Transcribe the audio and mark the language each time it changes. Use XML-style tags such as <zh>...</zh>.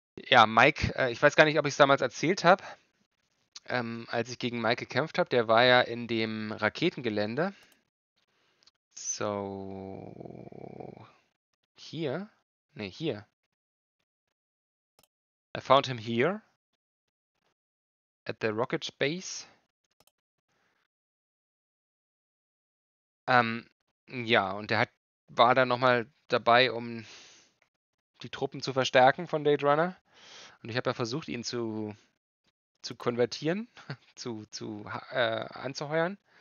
<de>Ja, Mike, ich weiß gar nicht, ob ich es damals erzählt habe. Als ich gegen Mike gekämpft habe, der war ja in dem Raketengelände.</de> <en>So, here. I found him here, at the rocket base.</en> <de>Ja, und er war dann nochmal dabei, um die Truppen zu verstärken von Blade Runner. Und ich habe ja versucht, ihn zu konvertieren, anzuheuern.</de>